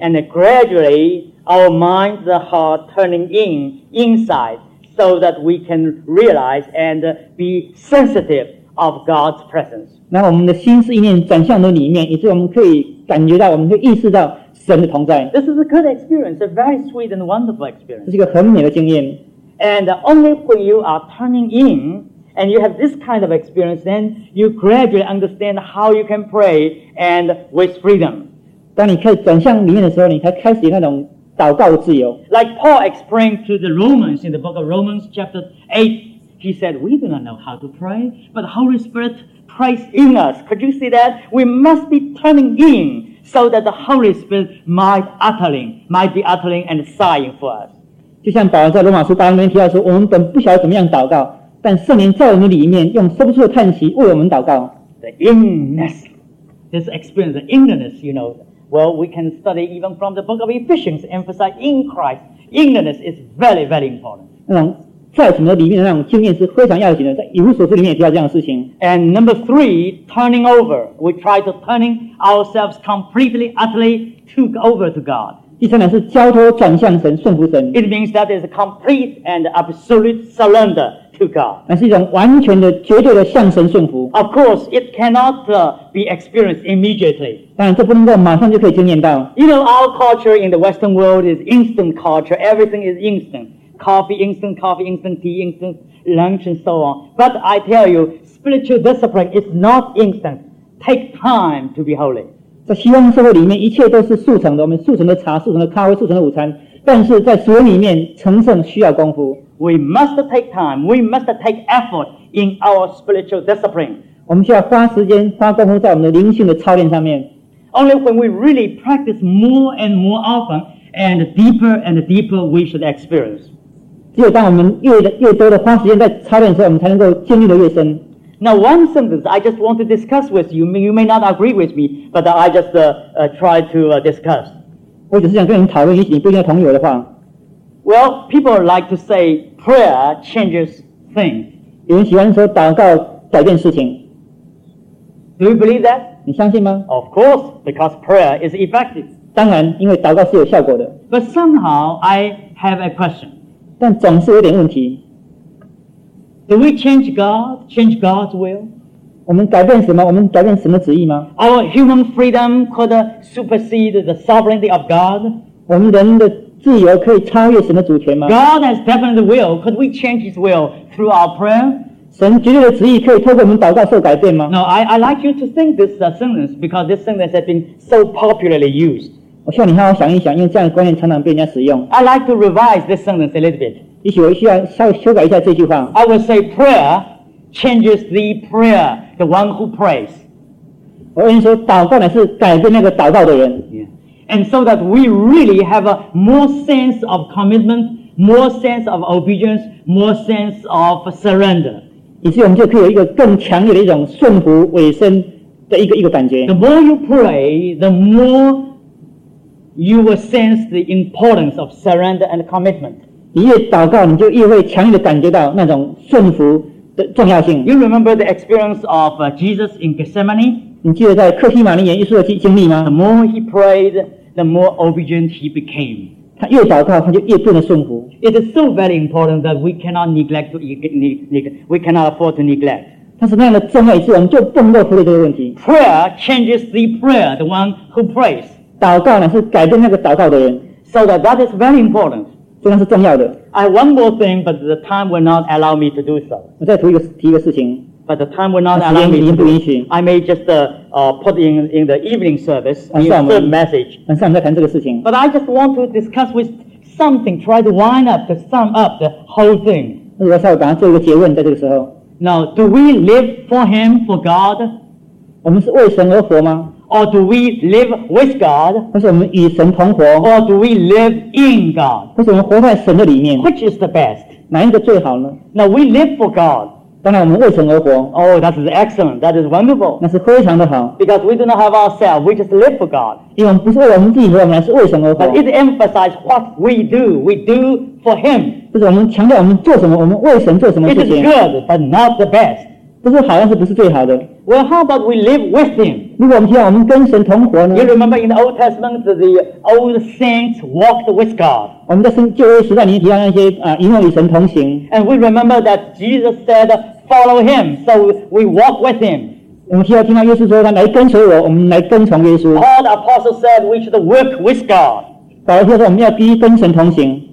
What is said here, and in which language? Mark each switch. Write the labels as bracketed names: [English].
[English] And gradually, our mind, the heart, turning inside, so that we can realize and be sensitive of God's presence. [Chinese] 那我们的心思意念转向到里面，以致我们可以感觉到，我们可以意识到。神的同在 [English] This is a good experience, a very sweet and wonderful experience. [Chinese] 这是一个很美的经验 [English] And only when you are turning in and you have this kind of experience, then you gradually understand how you can pray and with freedom. [Chinese] 当你开始转向里面的时候，你才开始有那种祷告的自由 [English] Like Paul explained to the Romans in the book of Romans, chapter 8, he said, "We do not know how to pray, but the Holy Spirit prays in us." Could you see that? We must be turning in. So that the Holy Spirit might be uttering and sighing for us. [Chinese] 就像保罗在罗马书八章里面提到说，我们本不晓得怎么样祷告，但圣灵在我们里面用说不出的叹息为我们祷告。 [English] The inness, this experience, the inness, you know. Well, we can study even from the book of Ephesians, emphasize in Christ. Inness is very, very important. [Chinese] 那种在什么里面的那种经验是非常要紧的，在以弗所书里面也提到这样的事情。 [English] And number three, turning over, we try to turning ourselves completely, utterly to over to God. [Chinese] 第三点是交托、转向神、顺服神。 [English] It means that is a complete and absolute surrender to God. [Chinese] 那是一种完全的、绝对的向神顺服。 [English] Of course, it cannot be experienced immediately. [Chinese] 当然，这不能够马上就可以经验到。 [English] You know, our culture in the Western world is instant culture. Everything is instant. Coffee, instant tea, instant lunch, and so on. But I tell you, spiritual discipline is not instant. Take time to be holy. [Chinese] 在西方社会里面，一切都是速成的。我们速成的茶、速成的咖啡、速成的午餐。但是在主里面，成圣需要功夫。 [English] We must take time. We must take effort in our spiritual discipline. [Chinese] 我们需要花时间、花功夫在我们的灵性的操练上面。 [English] Only when we really practice more and more often, and deeper, we should experience. [Chinese] 只有当我们 越多的花时间在操练的时候，我们才能够经历的越深。 [English] Now one sentence I just want to discuss with you. You may not agree with me, but I just try to discuss. [Chinese] 我只是想跟你讨论，也许你不一定同意我的话。 [English] Well, people like to say prayer changes things. [Chinese] 有人喜欢说祷告改变事情。 [English] Do you believe that? [Chinese] 你相信吗 [English] ？Of course, because prayer is effective. [Chinese] 当然，因为祷告是有效果的。 [English] But somehow I have a question. [Chinese] 但总是有点问题。 [English] Do we change God? Change God's will? [Chinese] 我们改变什么？我们改变什么旨意吗 [English] ？Our human freedom could supersede the sovereignty of God. [Chinese] 我们人的自由可以超越神的主权吗 [English] ？God has definite will. Could we change His will through our prayer? [Chinese] 神绝对的旨意可以透过我们祷告受改变吗？ [English] No, I like you to think this sentence because this sentence has been so popularly used. [Chinese] 我希望你好好想一想，因为这样的观念常常被人家使用。 [English] I like to revise this sentence a little bit. [Chinese] 也许我需要稍微修改一下这句话。 [English] I would say prayer changes the prayer, the one who prays. [Chinese] 我跟你说，祷告乃是改变那个祷告的人。 [English] Yeah. And so that we really have a more sense of commitment, more sense of obedience, more sense of surrender. [Chinese] 以至于我们就可以有一个更强烈的一种顺服委身的一个感觉。 [English] The more you pray, the more you will sense the importance of surrender and commitment. [Chinese] 你越祷告，你就越会强烈的感觉到那种顺服的重要性。 [English] You remember the experience of Jesus in Gethsemane? [Chinese] 你记得在克西马尼园耶稣的经历吗 [English] ？The more he prayed, the more obedient he became. [Chinese] 他越祷告，他就越变得顺服。 [English] It is so very important that we cannot neglect to we cannot afford to neglect. [Chinese] 但是那样的重要一次，我们就不能够忽略这个问题。 [English] Prayer changes the prayer, the one who prays. [Chinese] 祷告呢是改变那个祷告的人。 [English] So that is very important. [Chinese] 这个是重要的。 [English] I have one more thing, but the time will not allow me to do so. [Chinese] 我再提一个事情。 [English] But the time will not allow me to do. I may just put in the evening service a third message. [Chinese] 晚上再谈这个事情。 [English] But I just want to discuss with something, try to wind up, to sum up the whole thing. [Chinese] 我稍微把它做一个结论，在这个时候。 [English] Now, do we live for Him, for God? [Chinese] 我们是为神而活吗？ [English] Or do we live with God? [Chinese] 或是我们与神同活？ [English] Or do we live in God? [Chinese] 或是我们活在神的里面？ [English] Which is the best? [Chinese] 哪一个最好呢？ [English] Now, we live for God. [Chinese] 当然我们为神而活。 [English] Oh, that is excellent. That is wonderful. [Chinese] 那是非常的好。 [English] Because we do not have ourselves, we just live for God. [Chinese] 因为我们不是为我们自己活，我们是为神而活。 [English] But it emphasizes what we do for Him. [Chinese] 就是我们强调我们做什么，我们为神做什么事情。 [English] It is good, but not the best. [Chinese] 就是好像是不是最好的。 [English] Well, how about we live with Him? [Chinese] 如果我们希望我们跟神同活呢 [English] ？You remember in the Old Testament, the old saints walked with God. [Chinese] 我们在新旧约时代里面提到那些一路与神同行。 [English] And we remember that Jesus said. Follow him, so we walk with him. [Chinese] 我们需要听到耶稣说他来跟随我，我们来跟从耶稣。 [English] Paul the apostle said we should work with God. [Chinese] 保罗说我们要必须跟神同行，